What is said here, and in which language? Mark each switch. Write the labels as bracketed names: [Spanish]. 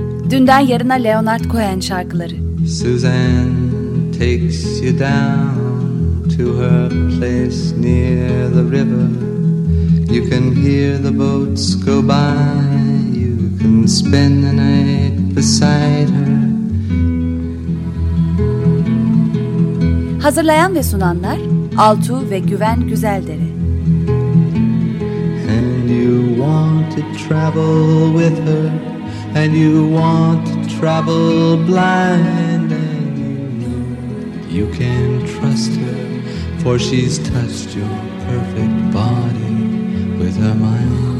[Turkish] Dünden Yarına Leonard Cohen şarkıları. [English] Susan takes you down to her place near the river. You can hear the boats go by. You can spend the night beside her. [Turkish] Hazırlayan ve sunanlar Altuğ ve Güven Güzeldere. [English] And you want to travel with her, and you want to travel blind, and you know you can trust her, for she's touched your perfect body with her mind.